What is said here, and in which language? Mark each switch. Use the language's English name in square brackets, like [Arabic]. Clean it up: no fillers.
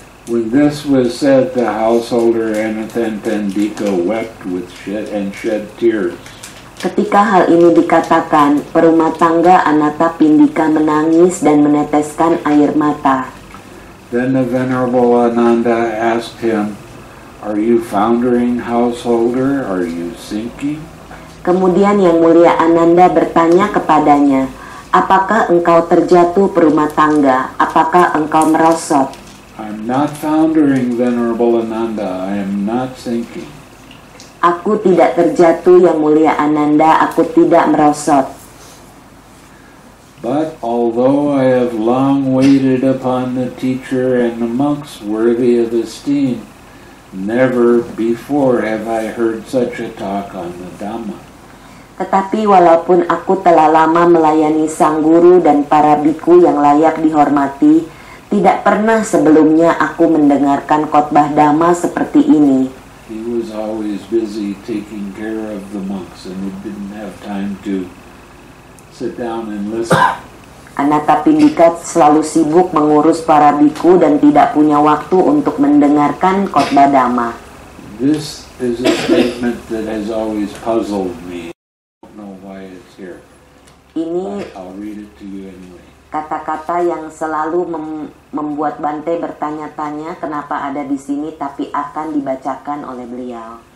[English] When this was said, the householder Anathapindika wept with shed tears. [Indonesian] Ketika hal ini dikatakan, perumah tangga Anathapindika menangis dan meneteskan air mata. [English] Then the venerable Ananda asked him, "Are you foundering, householder? Are you sinking?" [Indonesian] Kemudian yang mulia Ananda bertanya kepadanya, "Apakah engkau terjatuh, perumah tangga? Apakah engkau merosot?" [English] I'm not foundering, venerable Ananda. I am not sinking. [Indonesian] Aku tidak terjatuh, yang mulia Ananda. Aku tidak merosot. [English] But although I have long waited upon the teacher and the monks worthy of esteem, never before have I heard such a talk on the Dhamma. [Indonesian] Tetapi walaupun aku telah lama melayani sang guru dan para biku yang layak dihormati, tidak pernah sebelumnya aku mendengarkan khotbah dhamma seperti ini. [English] He was always busy taking care of the monks and he didn't have time to sit down and listen. [Indonesian] Anatta Pindika selalu sibuk mengurus para biku dan tidak punya waktu untuk mendengarkan khotbah dhamma. [English] This is a statement that has always puzzled me. I don't know why it's here. [Indonesian] Ini [English] I'll read it to you anyway. [Indonesian] Kata-kata yang selalu membuat Bante bertanya-tanya kenapa ada di sini tapi akan dibacakan oleh beliau.